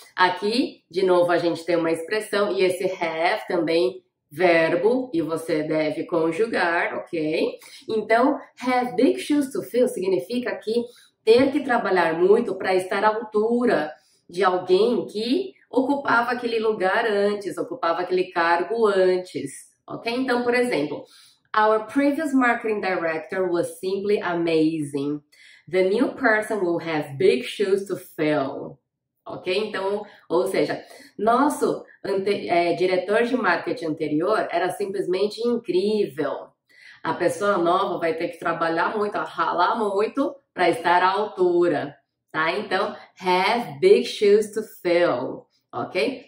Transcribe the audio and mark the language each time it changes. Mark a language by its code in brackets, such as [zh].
[pt] Aqui, de novo, a gente tem uma expressão e esse have também verbo e você deve conjugar, ok? Então, [en] have big shoes to fill [pt] significa que ter que trabalhar muito para estar à altura de alguém que ocupava aquele lugar antes, ocupava aquele cargo antes, ok? Então, por exemplo, [en] our previous marketing director was simply amazing. The new person will have big shoes to fill, ok? [pt] Então, ou seja, nosso diretor de marketing anterior era simplesmente incrível. A pessoa nova vai ter que trabalhar muito, ralar muito para estar à altura, tá? Então, [en] have big shoes to fill. Ok?